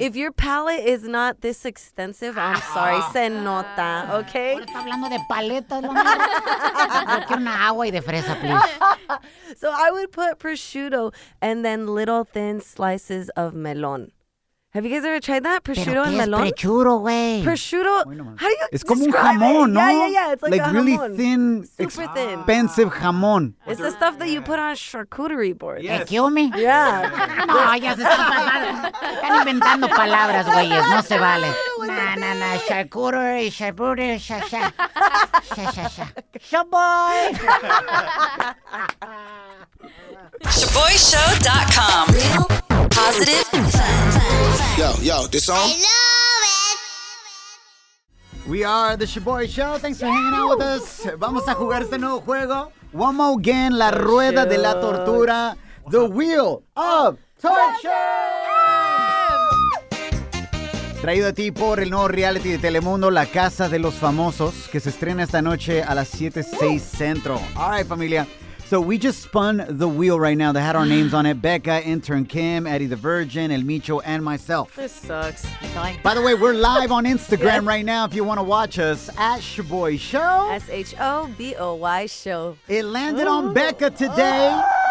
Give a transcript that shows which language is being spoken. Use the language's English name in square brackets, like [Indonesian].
[English] If your palate is not this extensive, I'm sorry. [Spanish] Se nota, okay? Está hablando de paleta, ¿no? Yo quiero una agua y de fresa, please. [English] So I would put prosciutto and then little thin slices of melon. Have you guys ever tried that? Prosciutto and melon? [Spanish] Prosciutto, güey. [English] Prosciutto? How do you [Spanish] It's como un jamón, [English] it? No? Yeah. It's like a really [Spanish] jamón. [English] Thin, super expensive thin. Expensive jamón. It's the stuff that you put on charcuterie boards. Yes. ¿Te kill me? Yeah. [Spanish] No, ya se están inventando palabras, güey. No se vale. [English] Nah. Charcuterie. Shaboy. Shaboyshow.com. Positive and fun. Yo, this song? I love it. We are the Shaboy Show. Thanks for hanging out with us. [Spanish] Vamos a jugar este nuevo juego. [English] One more game, La Rueda de la Tortura. The Wheel of Torture. [Spanish] Traído a ti por el nuevo reality de Telemundo, La Casa de los Famosos, que se estrena esta noche a las 7, 6 Centro. [English] All right, familia. So we just spun the wheel right now that had our names on it. Becca, Intern Kim, Eddie the Virgin, El Micho, and myself. This sucks. By the way, we're live on Instagram right now if you want to watch us. At Shaboy Show. S-H-O-B-O-Y Show. It landed on Becca today.